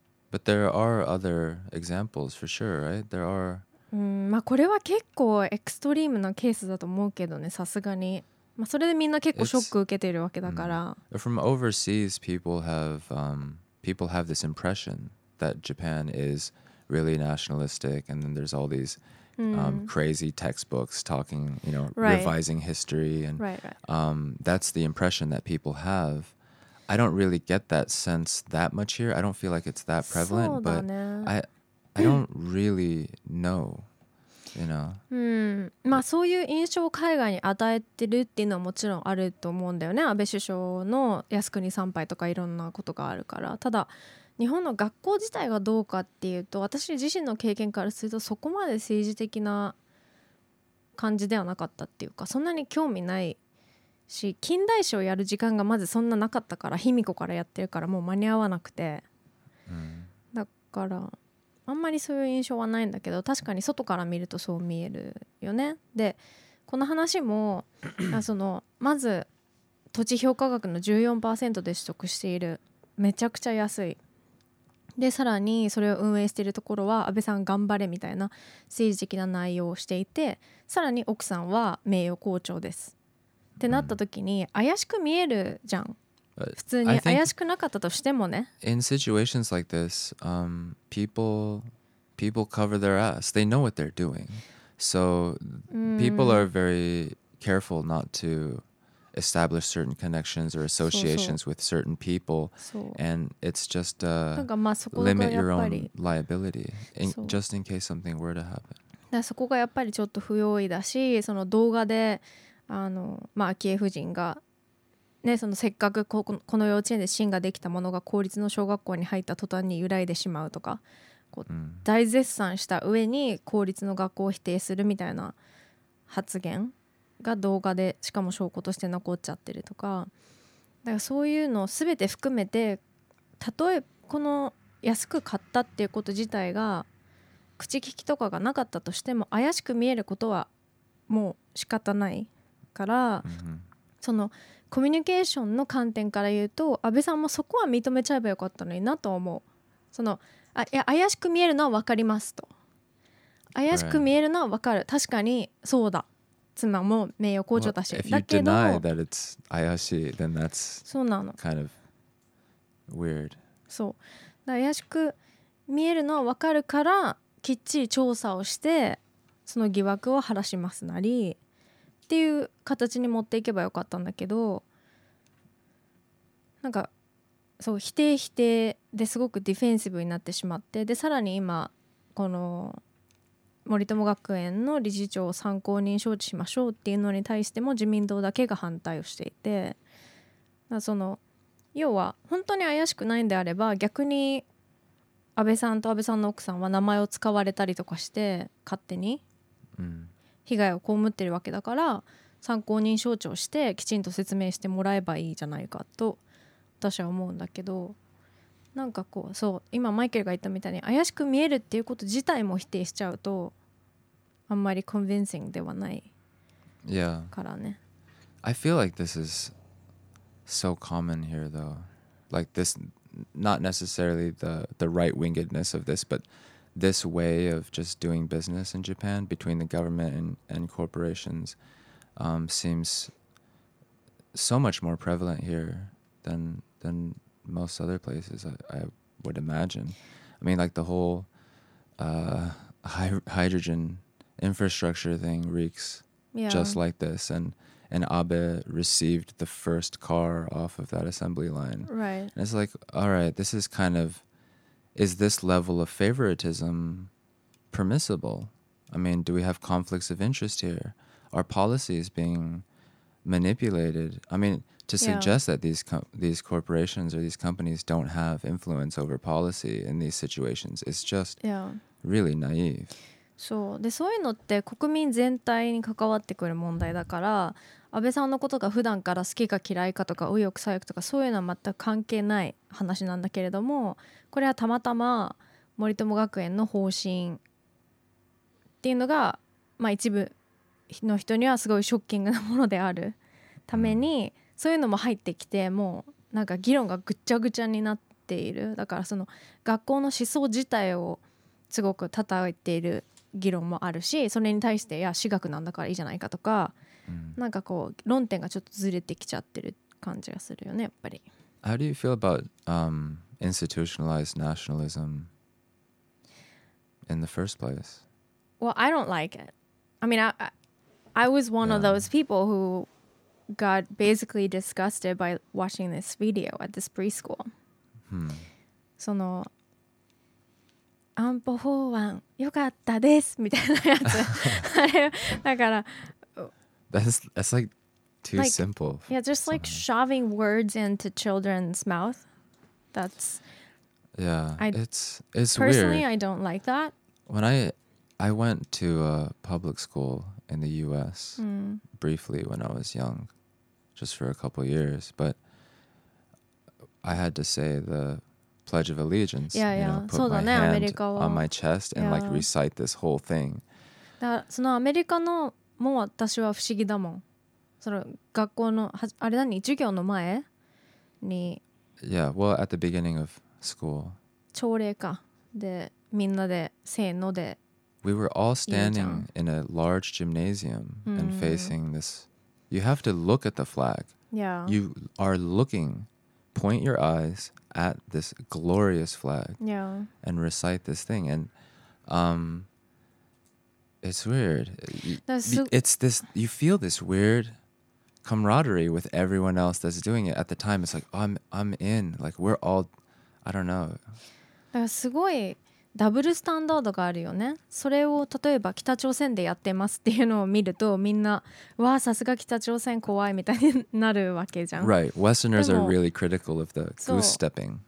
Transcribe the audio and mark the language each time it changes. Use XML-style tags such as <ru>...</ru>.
<en>But there are other examples for sure, right? There are.</en> <ja>まあこれは結構エクストリームなケースだと思うけどね、さすがに。まあそれでみんな結構ショック受けてるわけだから。</ja> <en>From overseas, people have this impression that Japan is really nationalistic, and then there's all these crazy textbooks talking, you know, revising history, and that's the impression that people have. I don't really get that sense that much here. I don't feel like it's that prevalent, but I don't really know, you know.</en> <ja>まあそういう印象を海外に与えてるっていうのはもちろんあると思うんだよね。安倍首相の靖国参拝とかいろんなことがあるから。ただ日本の学校自体がどうかっていうと、私自身の経験からするとそこまで政治的な感じではなかったっていうか、そんなに興味ないし、近代史をやる時間がまずそんななかったから、卑弥呼からやってるからもう間に合わなくて、だからあんまりそういう印象はないんだけど、確かに外から見るとそう見えるよね。でこの話もそのまず土地評価額の 14% で取得している、めちゃくちゃ安いで、さらにそれを運営しているところは安倍さん頑張れみたいな政治的な内容をしていて、さらに奥さんは名誉校長ですってなった時に怪しく見えるじゃん。普通に怪しくなかったとしてもね。</ja> <en>In situations like this, people cover their ass. They know what they're doing. So people are very careful not to establish certain connections or associations with certain people. And it's just limit your own liability just in case something were to happen.</en> <ja>そこがやっぱりちょっと不用意だし、その動画で昭恵夫人が、ね、そのせっかく この幼稚園で芯ができたものが公立の小学校に入った途端に揺らいでしまうとか、こう大絶賛した上に公立の学校を否定するみたいな発言が動画でしかも証拠として残っちゃってるとか、だからそういうのを全て含めて、たとえこの安く買ったっていうこと自体が口利きとかがなかったとしても、怪しく見えることはもう仕方ないから、そのコミュニケーションの観点から言うと、安倍さんもそこは認めちゃえばよかったのになと思う。そのあ、いや怪しく見えるのは分かりますと、怪しく見えるのは分かる、確かにそうだ、妻も名誉校長だし、</ja> <en>well,</en> <ja>だけど</ja> <en>if you deny that it's</en> <ja>怪しい</ja> <en>then that's</en> <ja>そうなの</ja> <en>kind of weird、</en> <ja>そう怪しく見えるのは分かるから、きっちり調査をしてその疑惑を晴らしますなりっていう形に持っていけばよかったんだけど、なんかそう否定否定ですごくディフェンシブになってしまって、でさらに今この森友学園の理事長を参考人招致しましょうっていうのに対しても自民党だけが反対をしていて、その要は本当に怪しくないんであれば、逆に安倍さんと安倍さんの奥さんは名前を使われたりとかして勝手に、被害を被ってるわけだから、参考人招致をしてきちんと説明してもらえばいいじゃないかと私は思うんだけど、なんかこうそう今マイケルが言ったみたいに、怪しく見えるっていうこと自体も否定しちゃうとあんまりコンビンシングではないからね。</ja> <en>Yeah. I feel like this is so common here though. Like this, not necessarily the right-wingedness of this, butthis way of just doing business in Japan between the government and corporations seems so much more prevalent here than most other places, I would imagine. I mean, like the whole hydrogen infrastructure thing reeks just like this. And Abe received the first car off of that assembly line. Right. And it's like, all right, this is kind of... Is this level of favoritism permissible? I mean, do we have conflicts of interest here? Are policies being manipulated? I mean, to suggest that these corporations or these companies don't have influence over policy in these situations is just really naive.</en> <ja>そう。で、そういうのって国民全体に関わってくる問題だから、安倍さんのことが普段から好きか嫌いかとか右翼左翼とかそういうのは全く関係ない話なんだけれども、これはたまたま森友学園の方針っていうのが、まあ、一部の人にはすごいショッキングなものであるためにそういうのも入ってきて、もうなんか議論がぐちゃぐちゃになっている。だからその学校の思想自体をすごく叩いている議論もあるし、それに対して、いや私学なんだからいいじゃないかとか、うん、なんかこう論点がちょっとずれてきちゃってる感じがするよね、やっぱり。</ja> <en>How do you feel about、institutionalized nationalism in the first place? Well, I don't like it. I mean, I was one、yeah. of those people who got basically disgusted by watching this video at this preschool.、 Hmm.</en> <ja>その安保法案よかったですみたいなやつだから</ja> <en>that's like too like, simple. Yeah, just like shoving words into children's mouth. That's yeah. It's personally, weird. Personally, I don't like that. When I went to a public school in the U.S.、 Mm. briefly when I was young, just for a couple years, but I had to say the Pledge of Allegiance. Yeah, you know, yeah. Put、 so、 my、</en> <ja>ね、</ja> <en>hand on my chest and、yeah. like recite this whole thing.</en> <ja>そのアメリカのもう私は不思議だもん。その学校のあれ何授業の前に</ja> <en>Yeah, well, at the beginning of school.</en> <ja>朝礼かでみんなでせーので</ja> <en>We were all standing in a large gymnasium、mm-hmm. and facing this. You have to look at the flag. Yeah. You are looking. Point your eyes at this glorious flag. Yeah. And recite this thing. And it's weird. It's this, you feel this weird... camaraderie with everyone else that's doing it at the time. It's like, I'm in. Like, we're all, I don't know.</en> <ja>だからすごいダブルスタンダードがあるよね。それを例えば北朝鮮でやってますっていうのを見ると、みんな、わあ、さすが北朝鮮怖いみたいになるわけじゃん。</ja> <en>Right. Westerners are really critical of the goose stepping.</en>